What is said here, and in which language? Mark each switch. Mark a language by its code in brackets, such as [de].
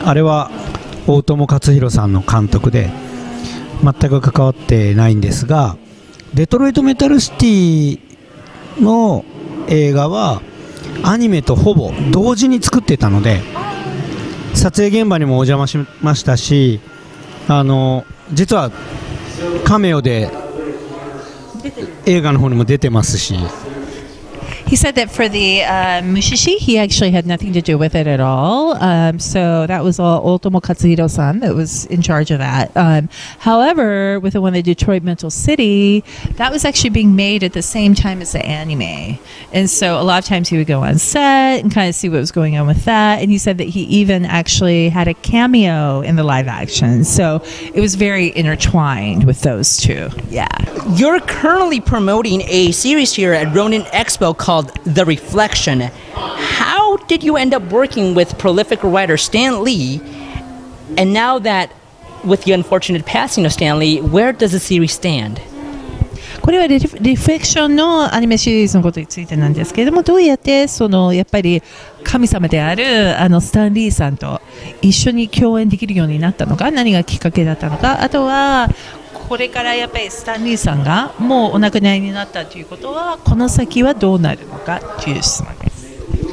[ja] あれは大友克洋さんの監督で全く関わってないんですが、デトロイトメタルシティの映画はアニメとほぼ同時に作ってたので、撮影現場にもお邪魔しましたし、実はカメオで映画の方にも出てますし。 [en] He said that for the Mushishi, he actually had nothing to do with it at all. So that was all Otomo Katsuhiro-san that was in charge of that. However, with the one that Detroit Metal City, that was actually being made at the same time as the anime. And so a lot of times he would go on set and kind of see what was going on with that. And he said that he even actually had a cameo in the live action. So it was very intertwined with those two. Yeah. You're currently promoting a series here at Ronin Expo called The Reflection. How did you end up working with prolific writer Stan Lee? And now that, with the unfortunate passing of Stan Lee, where does the series stand? [ja] これはリフレクションのアニメシリーズのことについてなんですけれども、どうやってそのやっぱり神様であるあのスタン・リーさんと一緒に共演できるようになったのか、何がきっかけだったのか、あとはこれからやっぱりスタン・リーさんがもうお亡くなりになったということはこの先はどうなるのかという質問です。